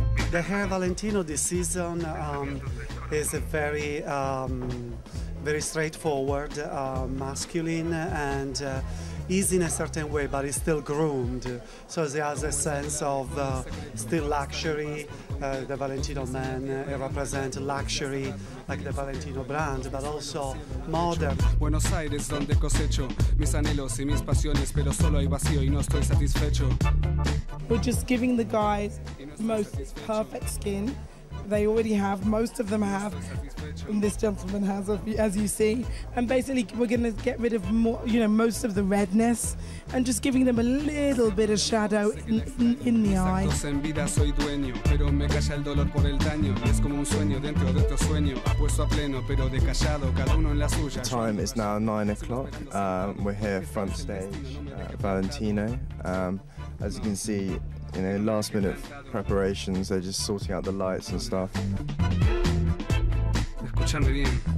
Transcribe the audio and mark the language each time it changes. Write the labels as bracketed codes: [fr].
[en] The Hair Valentino this season is a very, very straightforward, masculine, and is in a certain way, but is still groomed. So it has a sense of still luxury. The Valentino men represent luxury, like the Valentino brand, but also modern. [es] Buenos Aires, donde cosecho mis anhelos y mis pasiones, pero solo hay vacío y no estoy satisfecho. [en] We're just giving the guys most perfect skin. They already have, most of them have, and this gentleman has, as you see. And basically we're gonna get rid of more, you know, most of the redness, and just giving them a little bit of shadow in the eye. [es] Exacto, en vida soy dueño, pero me calla el dolor por el daño. Es como un sueño dentro de otro sueño, apuesto a pleno, pero de callado, cada uno en la suya. [en] Time is now 9 o'clock. We're here front stage, Valentino. As you can see, you know, last minute preparations, they're just sorting out the lights and stuff. [es] Escuchame bien.